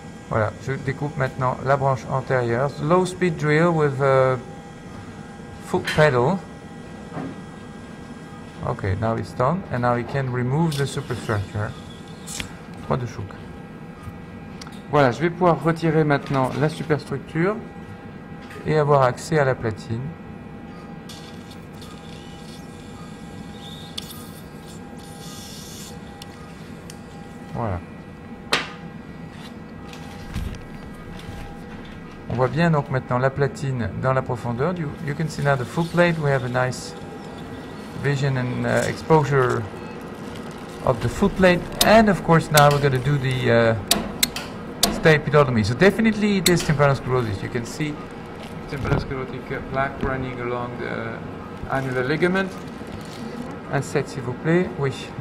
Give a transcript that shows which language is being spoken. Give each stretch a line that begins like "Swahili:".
French: Voilà, je découpe maintenant la branche antérieure.
English: Low speed drill with a foot pedal. Okay, now it's done, and now we can remove the superstructure. Trois de chouk.
French: Voilà, je vais pouvoir retirer maintenant la superstructure et avoir accès à la platine. Voilà. On voit bien donc maintenant la platine dans la profondeur.
English: You can see now the full plate. We have a nice vision and exposure of the foot plate, and of course now we're going to do the stapedotomy. So definitely it is tympanosclerosis. You can see tympanosclerotic plaque running along the annular ligament. Asset,
French: s'il vous plaît. Oui.